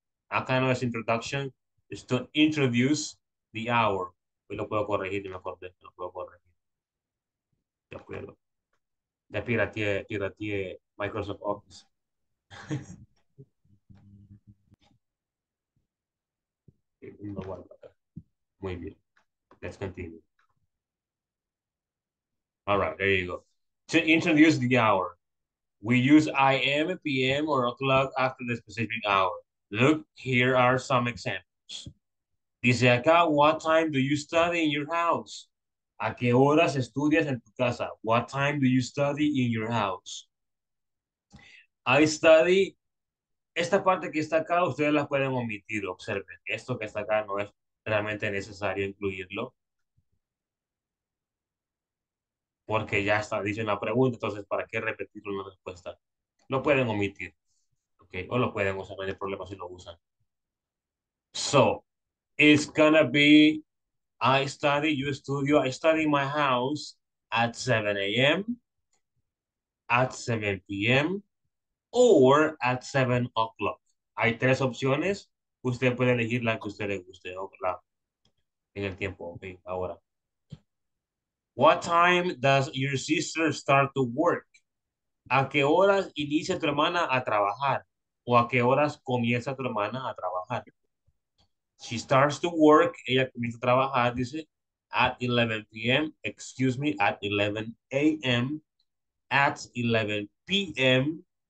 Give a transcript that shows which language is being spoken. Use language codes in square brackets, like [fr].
[en] A kind of introduction is to introduce the hour. [es] Hoy lo puedo corregir, me acordé, lo puedo corregir. De acuerdo. De piratie Microsoft Office. No, muy bien. [en] Let's continue. All right, there you go. To introduce the hour, we use IM, PM, or o'clock after the specific hour. Look, here are some examples. [es] Dice acá, [en] what time do you study in your house? [es] ¿A qué horas estudias en tu casa? [en] What time do you study in your house? I study. [es] Esta parte que está acá, ustedes la pueden omitir. Observen, esto que está acá no es realmente necesario incluirlo. Porque ya está, dice la pregunta. Entonces, ¿para qué repetir una respuesta? Lo pueden omitir. Okay. O lo pueden usar, no hay problema si lo usan. [en] So, it's gonna be, I study, you studio, I study my house at 7 a.m., at 7 p.m., or at 7 o'clock. [es] Hay tres opciones. Usted puede elegir la que usted le guste o la en el tiempo. Okay, ahora. [en] What time does your sister start to work? [es] ¿A qué horas inicia tu hermana a trabajar? ¿O a qué horas comienza tu hermana a trabajar? [en] She starts to work. [es] Ella comienza a trabajar, dice, [en] at 11 p.m. Excuse me, at 11 a.m. At 11 p.m.